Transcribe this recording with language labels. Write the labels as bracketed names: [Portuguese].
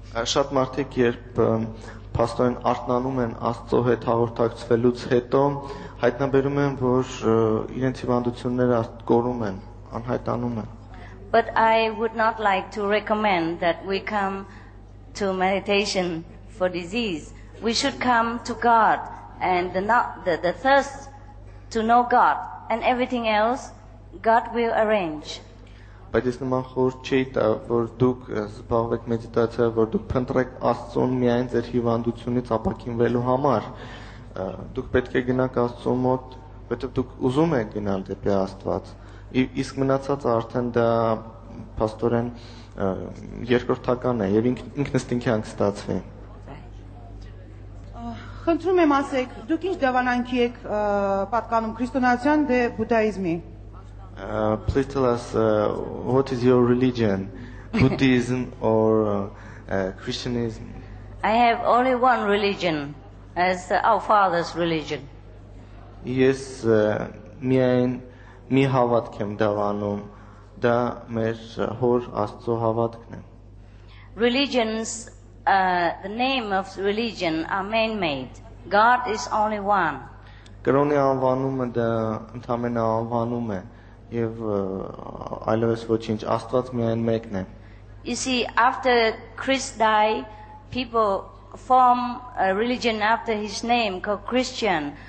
[Armenian] Շատ մարդիկ երբ փաստորեն արթնանում են Աստծո հետ հաղորդակցվելուց հետո հայտնաբերում են որ իրենց հիվանդությունները կորում են, անհայտանում են. [English] But I would not like to recommend that we come to meditation for disease. We should come to God and the thirst to know God and everything else God will arrange. [Armenian] Բայց ես նման խոր չէի տա, որ դուք զբաղվեք մեդիտացիա, որ դուք փնտրեք Աստծուն միայն ձեր հիվանդությունից ապակինվելու համար. Դուք պետք է գնաք Աստծո մոտ, որովհետև դուք ուզում եք գնալ դեպի Աստված, իսկ մնացածը արդեն դա փաստորեն երկրորդական է եւ ինքնըստինքյան կստացվի։ Խնդրում եմ ասեք, դուք ինչ դավանանքի եք պատկանում քրիստոնեության դե բուդդայիզմի։ [English] Please tell us what is your religion, Buddhism or Christianism? I have only one religion, as our father's religion. [Armenian] Yes, միայն մի հավատք եմ դավանում, դա մեր հոր Աստծո հավատքն է. [English] Religions, the name of religion are man-made. God is only one. [Armenian] Կրոնի անվանումը դա ընդամենը անվանում է. Եվ այլևս ոչինչ, Աստված միայն մեկն է։ [English] You see, after Christ died, people form a religion after his name called Christian.